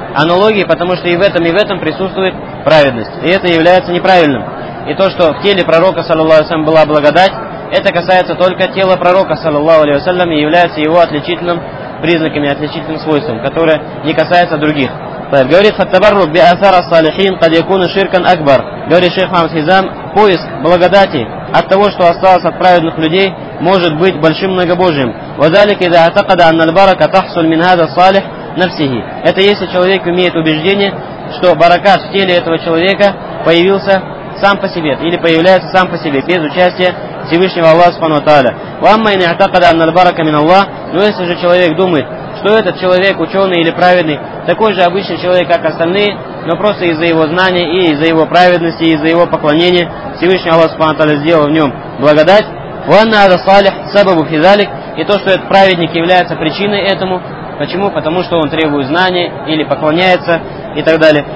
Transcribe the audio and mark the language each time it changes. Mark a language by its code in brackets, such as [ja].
[ru] Аналогией, потому что и в этом присутствует праведность. И это является неправильным. И то, что в теле пророка, саллаллаху алейхи ва саллям, была благодать, это касается только тела пророка, саллаллаху алейхи ва саллям, и является его отличительным признаками, отличительным свойством, которое не касается других. [ar] طيب قولي التبرك بآثار الصالحين قد يكون شركا أكبر. قولي الشيخ محمد حزام [ru] поиск благодати от того, что осталось от праведных людей, может быть большим многобожием. [ar] وذلك إذا اعتقد أن البركة تحصل من هذا الصالح نفسه. [ru] Это если человек имеет убеждение, что баракат в теле этого человека появился сам по себе или появляется сам по себе без участия Всевышнего Аллаха Субхану ва Тааля. [ar] وأما إن اعتقد أن البركة من الله. [ru] Но если же человек думает, что этот человек ученый или праведный, такой же обычный человек, как остальные, но просто из-за его знания и из-за его праведности, и из-за его поклонения Всевышний Аллах Субхану ва Тааля сделал в нем благодать. [ar] وأن هذا صالح سبب في ذلك. [ru] И то, что этот праведник является причиной этому. Почему? Потому что он требует знания или поклоняется и так далее.